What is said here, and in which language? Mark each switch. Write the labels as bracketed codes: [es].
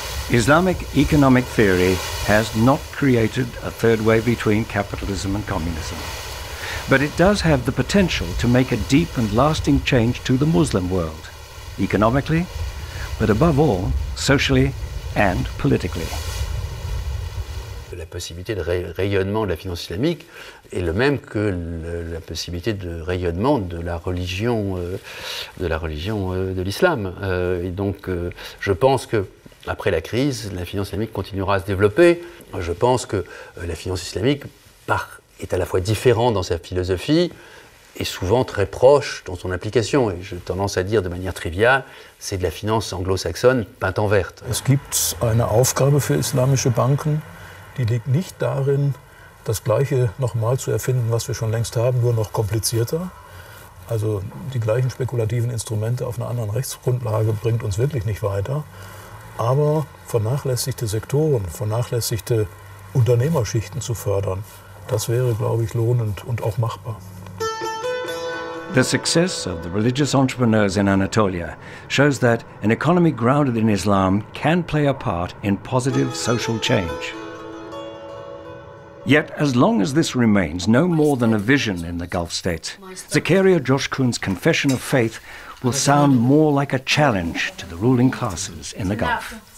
[en] Islamic economic theory has not created a third way between capitalism and communism. But it does have the potential to make a deep and lasting change to the Muslim world, economically, but above all, socially and politically. [fr] La possibilité de rayonnement de la finance islamique est le même que la possibilité de rayonnement de la religion de l'islam. Et donc, je pense que après la crise, la finance islamique continuera à se développer. Je pense que la finance islamique est à la fois différent dans sa philosophie et souvent très proche dans son application. Et j'ai tendance à dire de manière triviale, c'est de la finance anglo-saxonne peinte en verte. [de] Es gibt eine Aufgabe für islamische Banken, die liegt nicht darin, das Gleiche nochmal zu erfinden, was wir schon längst haben, nur noch komplizierter. Also die gleichen spekulativen Instrumente auf einer anderen Rechtsgrundlage bringt uns wirklich nicht weiter. Aber vernachlässigte Sektoren, vernachlässigte Unternehmerschichten zu fördern, das wäre, glaube ich, lohnend und auch machbar. [en] The success of the religious entrepreneurs in Anatolia shows that an economy grounded in Islam can play a part in positive social change. Yet, as long as this remains no more than a vision in the Gulf states, Zakaria Joshkun's confession of faith will sound more like a challenge to the ruling classes in the Gulf.